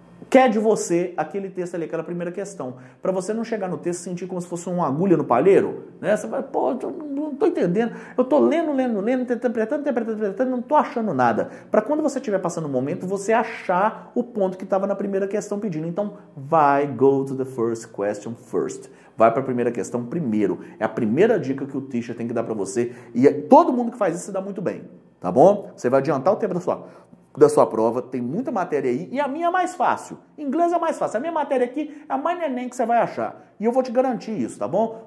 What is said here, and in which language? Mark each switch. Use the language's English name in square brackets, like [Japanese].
[Portuguese] quer de você aquele texto ali, aquela primeira questão. Para você não chegar no texto e sentir como se fosse uma agulha no palheiro, né? Você vai, pô, não estou entendendo. Eu estou lendo, interpretando, não estou achando nada. Para quando você estiver passando o momento, você achar o ponto que estava na primeira questão pedindo. Então, vai, [English] go to the first question first. [Portuguese] Vai para a primeira questão primeiro. É a primeira dica que o teacher tem que dar para você. E todo mundo que faz isso se dá muito bem. Tá bom? Você vai adiantar o tempo da sua prova, tem muita matéria aí, e a minha é mais fácil, inglês é mais fácil, a minha matéria aqui é a mais neném que você vai achar, e eu vou te garantir isso, tá bom?